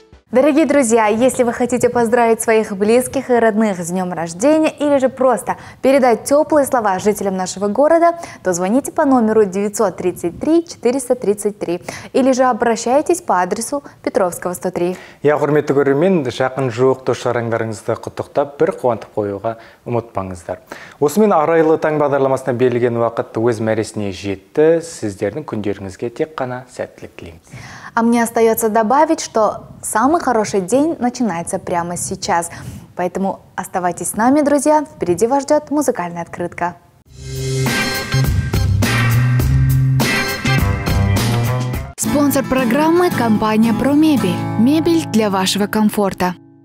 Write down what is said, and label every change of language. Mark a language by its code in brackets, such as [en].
[ru] Дорогие друзья, если вы хотите поздравить своих близких и родных с днем рождения или же просто передать теплые слова жителям нашего города, то звоните по номеру 933-433 или же обращайтесь по адресу Петровского, 103. [kk] Я, құрметті көрермен, жақын жуық тұшараңдарыңызды құттықтап, бір қуантып қойуға ұмытпаңыздар. Осымен арайлы таң бағдарламасына берілген уақыт өз мәресіне жетті. Сіздердің күндеріңізге тек қана сәттілік тілеймін. [ru] А мне остается добавить, что самый хороший день начинается прямо сейчас. Поэтому оставайтесь с нами, друзья. Впереди вас ждет музыкальная открытка. Спонсор программы – компания «Промебель». Мебель для вашего комфорта.